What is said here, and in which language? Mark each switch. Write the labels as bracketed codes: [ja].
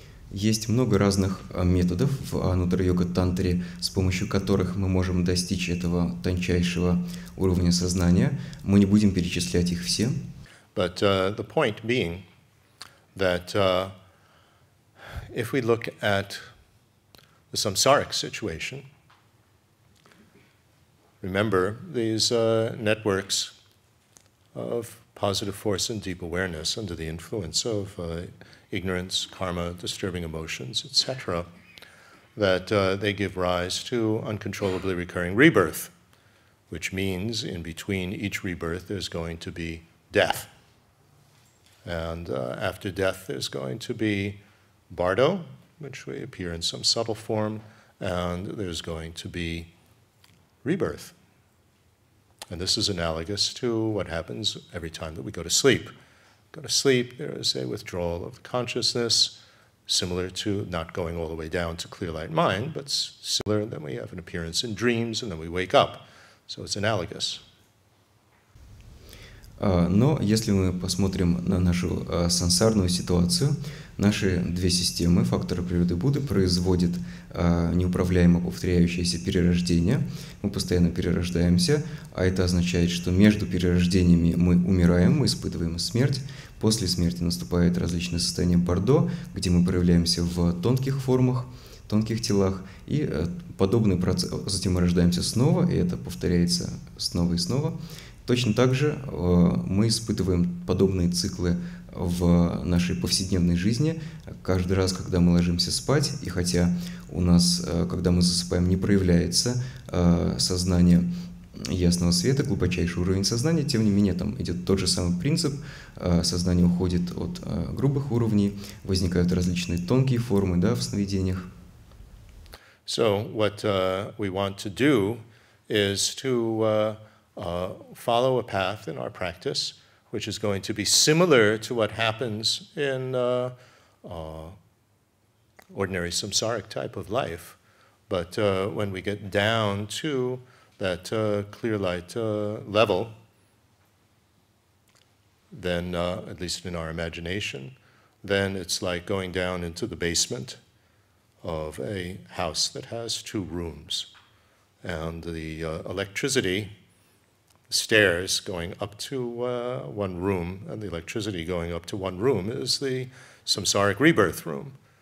[ru] Есть много разных методов в Анутра-йога-тантре, с помощью которых мы можем достичь этого тончайшего уровня сознания. Мы не будем перечислять их все. [en] But the point being that if we look at the samsaric situation, remember these networks of positive force and deep awareness under the influence of ignorance, karma, disturbing emotions, etc., that they give rise to uncontrollably recurring rebirth, which means in between each rebirth there's going to be death. And after death there's going to be bardo, which we appear in some subtle form, and there's going to be rebirth. And this is analogous to what happens every time that we go to sleep. Go to sleep, there is a withdrawal of consciousness, similar to not going all the way down to clear light mind, but similar, then we have an appearance in dreams, and then we wake up. So it's analogous. [ru] Но если мы посмотрим на нашу сансарную ситуацию, наши две системы, факторы природы Будды, производят неуправляемо повторяющееся перерождение. Мы постоянно перерождаемся, а это означает, что между перерождениями мы умираем, мы испытываем смерть. После смерти наступает различное состояние бардо, где мы проявляемся в тонких формах, тонких телах, и подобный процесс, затем мы рождаемся снова, и это повторяется снова и снова. Точно так же мы испытываем подобные циклы в нашей повседневной жизни. Каждый раз, когда мы ложимся спать, и хотя у нас, когда мы засыпаем, не проявляется сознание ясного света, глубочайший уровень сознания, тем не менее там идет тот же самый принцип. Сознание уходит от грубых уровней, возникают различные тонкие формы, да, в сновидениях. [en] So what we want to do is to follow a path in our practice, which is going to be similar to what happens in ordinary samsaric type of life, but when we get down to that clear light level, then at least in our imagination, then it's like going down into the basement of a house that has two rooms, and the electricity, stairs going up to one room, and the electricity going up to one room is the samsaric rebirth room.